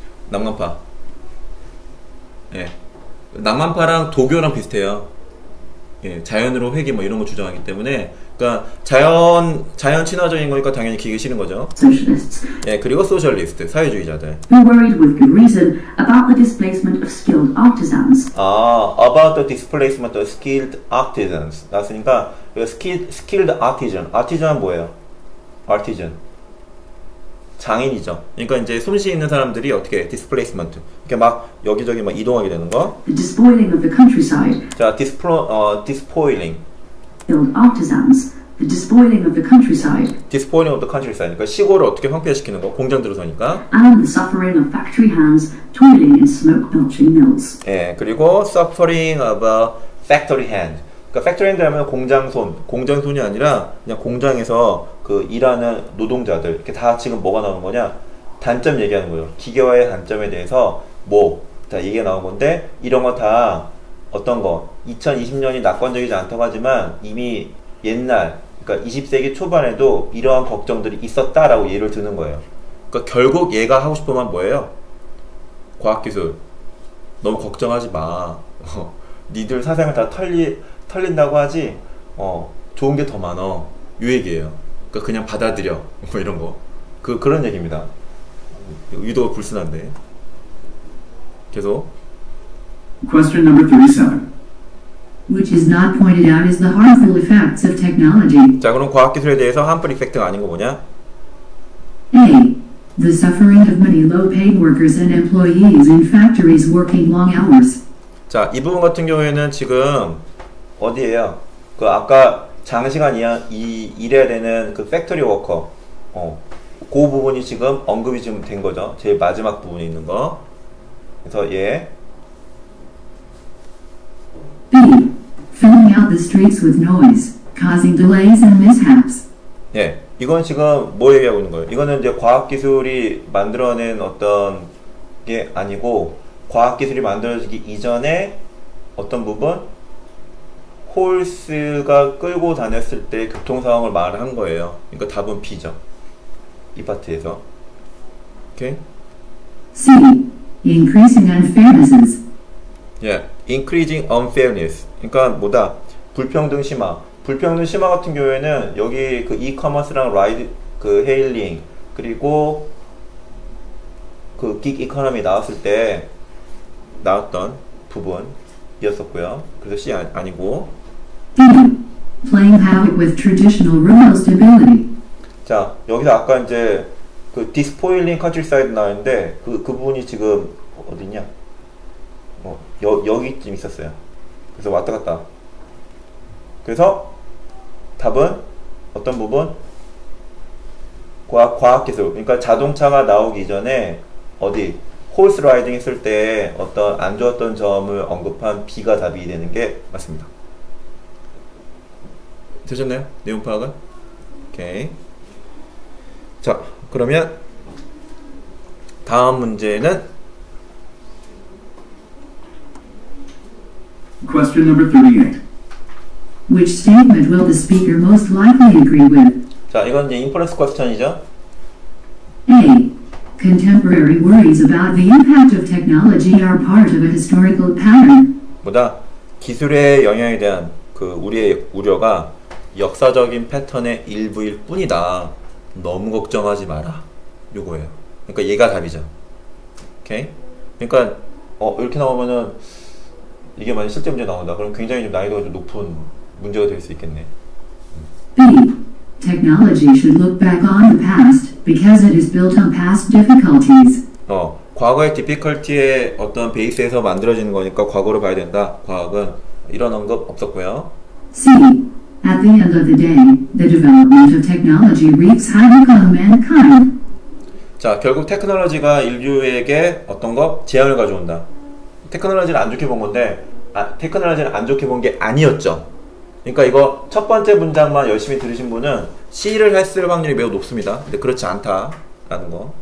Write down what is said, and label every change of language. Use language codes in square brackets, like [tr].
[ko] 낭만파 예 낭만파랑 도교랑 비슷해요. 예 자연으로 회귀 뭐 이런 거 주장하기 때문에 그러니까 자연 친화적인 거니까 당연히 기계 싫은 거죠. [en] Socialists. [ko] 예 그리고 소셜리스트 사회주의자들. [en] Who worried with good reason about the displacement of skilled artisans. 아 about the displacement of skilled artisans [ko] 나왔으니까 [en] skilled artisan. [ko] artisan 뭐예요? artisan 장인이죠. 그러니까 이제 솜씨 있는 사람들이 어떻게 displacement 이렇게 막 여기저기 막 이동하게 되는 거. [en] The despoiling of the countryside. 자, despoiling. Skilled artisans. The despoiling of the countryside. Despoiling of the countryside. [ko] 그러니까 시골을 어떻게 황폐시키는 거. 공장 들어서니까. [en] And the suffering of factory hands toiling in smoke belching mills. [ko] 예, 그리고 [en] suffering of a factory hand. [ko] 그러니까 factory hand 하면 공장손. 공장손이 아니라 그냥 공장에서 그 일하는 노동자들. 이렇게 다 지금 뭐가 나오는 거냐? 단점 얘기하는 거예요. 기계화의 단점에 대해서 뭐 자 얘기가 나온 건데 이런 거 다 어떤 거 2020년이 낙관적이지 않다고 하지만 이미 옛날 그러니까 20세기 초반에도 이러한 걱정들이 있었다라고 예를 드는 거예요. 그러니까 결국 얘가 하고 싶은 건 뭐예요? 과학기술 너무 걱정하지 마. 니들 사생활 다 털린다고 하지 좋은 게 더 많아. 요 얘기예요. 그러니까 그냥 받아들여 뭐 이런 거 그런 얘기입니다. 유도가 불순한데 계속. [en] Question number 37. Which is not pointed out is the harmful effects of technology. [ko] 자 그럼 과학기술에 대해서 [en] harmful effect [ko] 가 아닌 거 뭐냐? [en] A. The suffering of many low-paid workers and employees in factories working long hours. [ko] 자 이 부분 같은 경우에는 지금 어디예요? 그 아까 장시간 일해야 되는 그 팩토리 워커 그 부분이 지금 언급이 지금 된 거죠. 제일 마지막 부분에 있는 거. 그래서 예. [en] B. Filling out the streets with noise, causing delays and mishaps. [ko] 예. 이건 지금 뭐 얘기하고 있는 거예요? 이거는 이제 과학기술이 만들어낸 어떤 게 아니고 과학기술이 만들어지기 이전에 어떤 부분? 홀스가 끌고 다녔을 때 교통상황을 말한 거예요. 그러니까 답은 B죠. 이 파트에서. 오케이? [en] C. Increasing unfairness. Yeah. Increasing unfairness. [ko] 그러니까 뭐다? 불평등 심화. 불평등 심화 같은 경우에는 여기 그 e-commerce랑 라이드 그 헤일링 그리고 그 [en] gig economy [ko] 나왔을 때 나왔던 부분이었었고요. 그래서 C 아니고 [en] D. Playing havoc with traditional rural stability. [ko] 자, 여기서 아까 이제 그 [en] despoiling countryside [ko] 나왔는데 그 부분이 지금 어딨냐? 여기쯤 있었어요. 그래서 왔다 갔다. 그래서 답은 어떤 부분? 과학기술. 그러니까 자동차가 나오기 전에 어디? 호스 라이딩 했을 때 어떤 안 좋았던 점을 언급한 B가 답이 되는 게 맞습니다. 되셨나요? 내용 파악은? 오케이. 자, 그러면 다음 문제는 [en] Question number 38. Which statement will the speaker most likely agree with? [ko] 자, 이건 이제 [en] inference question [ko] 이죠. [en] A. Contemporary worries about the impact of technology are part of a historical pattern. [ko] 뭐다? 기술의 영향에 대한 그 우리의 우려가 역사적인 패턴의 일부일 뿐이다. 너무 걱정하지 마라. 요거예요. 그러니까 얘가 답이죠. 오케이? 그러니까 이렇게 나오면은 이게 만약 실제 문제 나온다. 그럼 굉장히 좀 난이도가 좀 높은 문제가 될 수 있겠네. [en] B. Technology should look back on the past because it is built on past difficulties. [ko] 어, 과거의 difficulty의 어떤 베이스에서 만들어진 거니까 과거로 봐야 된다. 과학은 이런 언급 없었고요. [en] C. At the end of the day, the development of technology reaps high income mankind. [ko] 자, 결국 테크놀로지가 인류에게 어떤 거? 재앙을 가져온다. 테크놀로지를 안 좋게 본 건데, 아, 테크놀로지를 안 좋게 본 게 아니었죠. 그러니까 이거 첫 번째 문장만 열심히 들으신 분은 C를 했을 확률이 매우 높습니다. 근데 그렇지 않다라는 거.